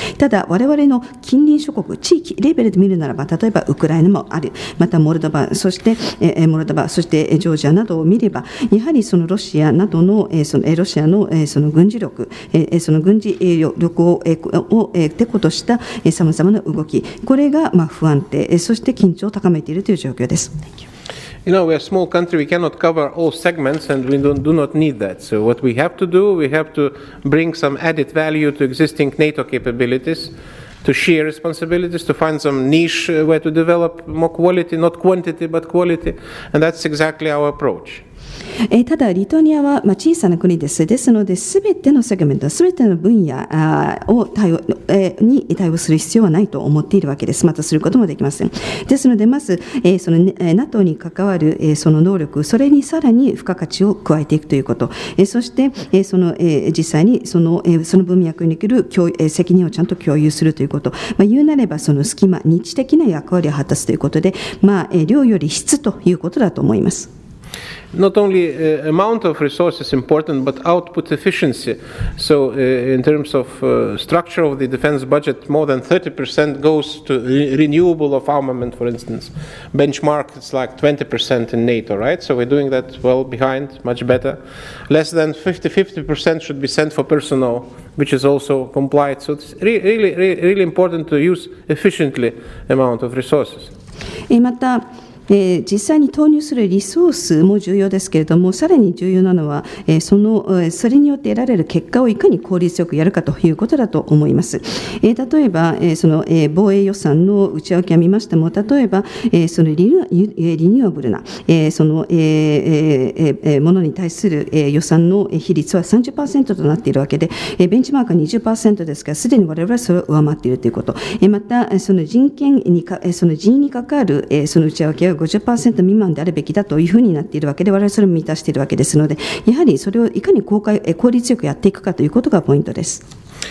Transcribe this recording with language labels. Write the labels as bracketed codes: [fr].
[ja] ただ我々の近隣諸国地域レベルで見るならば、例えばウクライナもある、またモルドバ、そしてジョージアなどを見れば、やはりそのロシアなどのロシアのその軍事力、その軍事力をてことしたさまざまな動き、これが不安定、そして緊張を高めているという状況です。 [en] Thank you. You know, we are a small country, we cannot cover all segments and we do not need that. So what we have to do, we have to bring some added value to existing NATO capabilities, to share responsibilities, to find some niche where to develop more quality, not quantity, but quality. And that's exactly our approach. [ja] ただリトアニアは小さな国です。ですのですべてのセグメント、すべての分野を対応する必要はないと思っているわけです。またすることもできません。ですのでまずその NATO に関わるその能力、それにさらに付加価値を加えていくということ、そしてその実際にその文脈における責任をちゃんと共有するということ、言うなればその隙間日的な役割を果たすということで、量より質ということだと思います。 [en] Not only amount of resources important, but output efficiency. So in terms of structure of the defense budget, more than 30% goes to renewable of armament, for instance. Benchmark is like 20% in NATO, right? So we're doing that well behind, much better. Less than 50% should be sent for personnel, which is also complied. So it's really important to use efficiently amount of resources. [ja] また実際に投入するリソースも重要ですけれども、さらに重要なのはそれによって得られる結果をいかに効率よくやるかということだと思います。例えばその防衛予算の内訳を見ましても、例えばそのリニューアブルなそのものに対する予算の比率は 30% となっているわけで、ベンチマークは 20% ですから、すでに我々はそれを上回っているということ、またその人権に人員に関わるその内訳は 50% 未満であるべきだというふうになっているわけで、我々それを満たしているわけですので、やはりそれをいかに効率よくやっていくかということがポイントです。